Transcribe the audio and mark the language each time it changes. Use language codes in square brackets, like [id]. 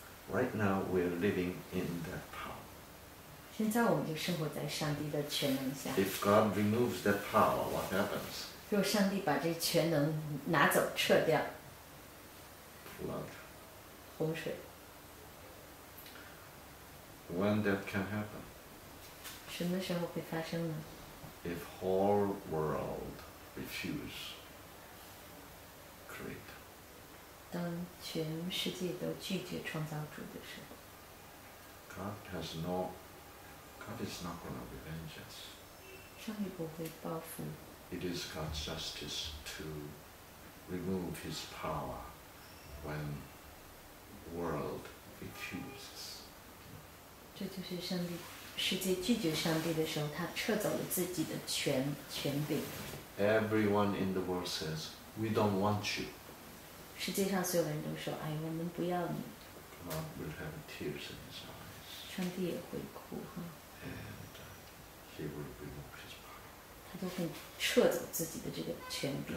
[en] Right now we are living in that power. [zh] 现在我们就生活在上帝的全能下. [en] If God removes that power, what happens? [zh] 若上帝把这全能拿走撤掉, [en] flood. [zh] 洪水. [en] When that can happen? [zh] 什么时候会发生呢? [en] If whole world refuse create. [zh] 当全世界都拒绝创造主的时候, [en] God is not going to revenge us. [zh] 上帝不会报复. [en] It is God's justice to remove His power when world refuses. [zh] 这就是上帝 世界拒绝上帝的时候，他撤走了自己的权柄。 [en] Everyone in the world says, "We don't want you." [zh] 世界上所有人都说，哎，我们不要你。 [en] God will have tears in his eyes. [zh] 上帝也会哭哈。 [en] And he will remove his power. [zh] 他都会撤走自己的这个权柄。